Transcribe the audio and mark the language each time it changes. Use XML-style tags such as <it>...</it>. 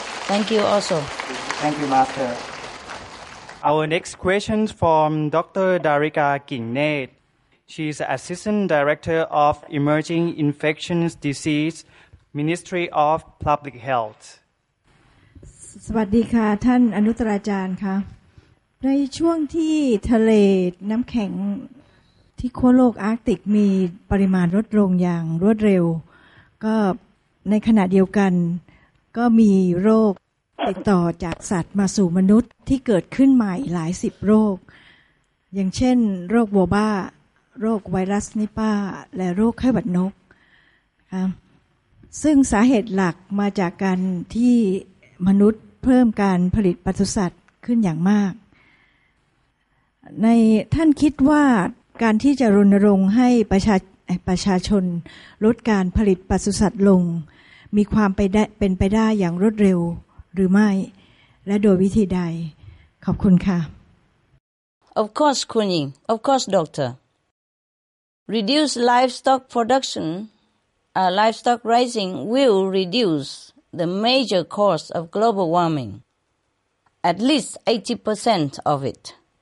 <en>Thank you also. Thank you, Master. Our next question is from Dr. Darika Kinnate. She is Assistant Director of Emerging Infectious DiseaseMinistry of Public Health.</en> <th>สวัสดีค่ะท่านอนุตราจารย์ค่ะในช่วงที่ทะเลน้ำแข็งที่ขั้วโลกอาร์กติกมีปริมาณลดลงอย่างรวดเร็วก็ในขณะเดียวกันก็มีโรคติดต่อจากสัตว์มาสู่มนุษย์ที่เกิดขึ้นใหม่หลายสิบโรค อย่างเช่นโรควัวบ้าโรคไวรัสนิปาและโรคไข้หวัดนกค่ะซึ่งสาเหตุหลักมาจากการที่มนุษย์เพิ่มการผลิตปศุสัตว์ขึ้นอย่างมาก ในท่านคิดว่าการที่จะรณรงค์ให้ประชาชนลดการผลิตปศุสัตว์ลงมีความไปเป็นไปได้อย่างรวดเร็วหรือไม่และโดยวิธีใดขอบคุณค่ะ</th> <en>Of course Kunying of course doctor reduce livestock productionlivestock raising will reduce the major cause of global warming, at least 80% of it.</en>